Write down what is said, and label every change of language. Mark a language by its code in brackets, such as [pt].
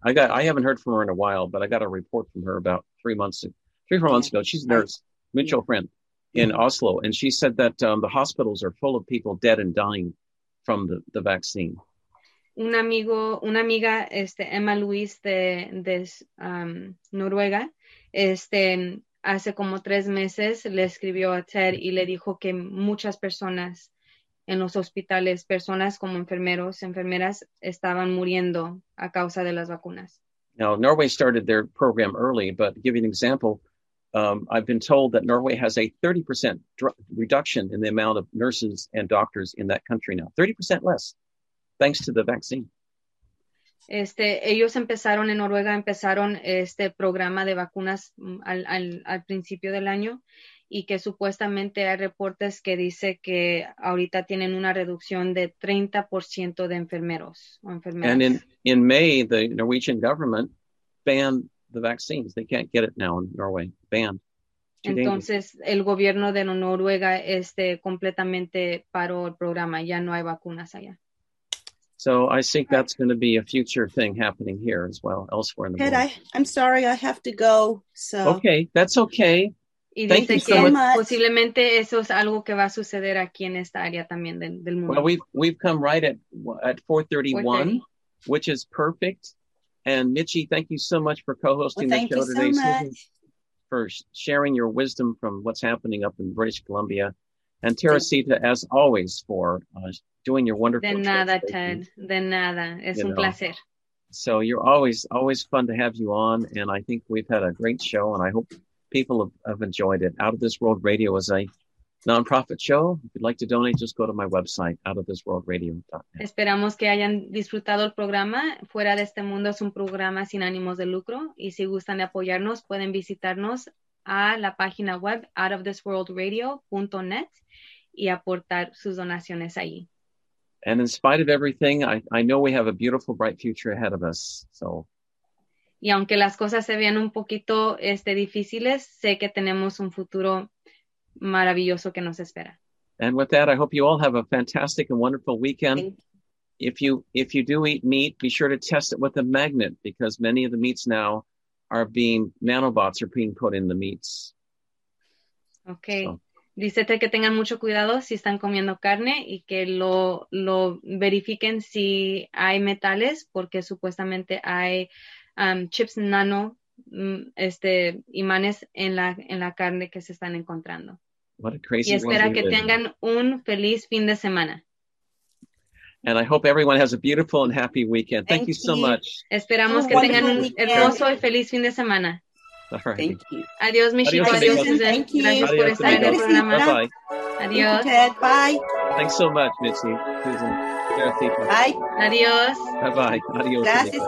[en] I haven't heard from her in a while, but I got a report from her about 3 months, 3 or 4 months ago. She's a nurse, mutual friend in Oslo. And she said that the hospitals are full of people dead and dying from the vaccine. [es] Una amiga, Emma Luis de Noruega, hace como 3 meses le escribió a Ted y le dijo que muchas personas en los hospitales, personas como enfermeros, enfermeras, estaban muriendo a causa de las vacunas. [en] Now, Norway started their program early, but to give you an example, I've been told that Norway has a 30% reduction in the amount of nurses and doctors in that country now, 30% less, thanks to the vaccine. [es] Ellos empezaron en Noruega, empezaron este programa de vacunas al principio del año, y que supuestamente hay reportes que dice que ahorita tienen una reducción de 30% de enfermeros o enfermeras. [en] And in May, the Norwegian government banned the vaccines. They can't get it now in Norway. Banned. [es] Entonces, [en] dangerous. [es] El gobierno de Noruega completamente paró el programa. Ya no hay vacunas allá. [en] So I think that's going to be a future thing happening here as well, elsewhere in the Ted, world. I'm sorry, I have to go. So. Okay, that's okay. [es] Y [en] thank [es] dice [en] you [es] que [en] so much. [es] Posiblemente eso es algo que va a suceder aquí en esta área también del mundo. [en] Well, we've come right at 4:31, which is perfect. And Michi, thank you so much for co-hosting the show today. Thank you so much. For sharing your wisdom from what's happening up in British Columbia. And Teresita, as always, for doing your wonderful show. [es] De nada, Ted. De nada. Es un placer. [en] So you're always, always fun to have you on. And I think we've had a great show. And I hope people have enjoyed it. Out of This World Radio is a nonprofit show. If you'd like to donate, just go to my website, outofthisworldradio.net. [es] Esperamos que hayan disfrutado el programa. Fuera de este mundo es un programa sin ánimos de lucro. Y si gustan de apoyarnos, pueden visitarnos a la página web outofthisworldradio.net y aportar sus donaciones allí. [en] And in spite of everything, I know we have a beautiful, bright future ahead of us. So. [es] Y aunque las cosas se vean un poquito difíciles, sé que tenemos un futuro maravilloso que nos espera. [en] And with that, I hope you all have a fantastic and wonderful weekend. If you do eat meat, be sure to test it with a magnet, because many of the meats now are being, nanobots are being put in the meats. Okay. So. [es] Dícete que tengan mucho cuidado si están comiendo carne y que lo verifiquen si hay metales, porque supuestamente hay chips nano imanes en la carne que se están encontrando. [en] What a crazy [es] y espera que tengan un feliz fin de semana. [en] And I hope everyone has a beautiful and happy weekend. Thank you so much. [es] Esperamos que tengan un hermoso y feliz fin de semana. [en] Thank you. [es] Adiós, Michelle. Adiós, adiós, Susan. [en] Thank you. [es] Gracias por estar en el programa. [en] Bye-bye. [es] Adiós. [en] Bye. Thanks so much, Mitzi. Susan. Bye. [es] Adiós. [en] Bye-bye. [es] Adiós. Gracias.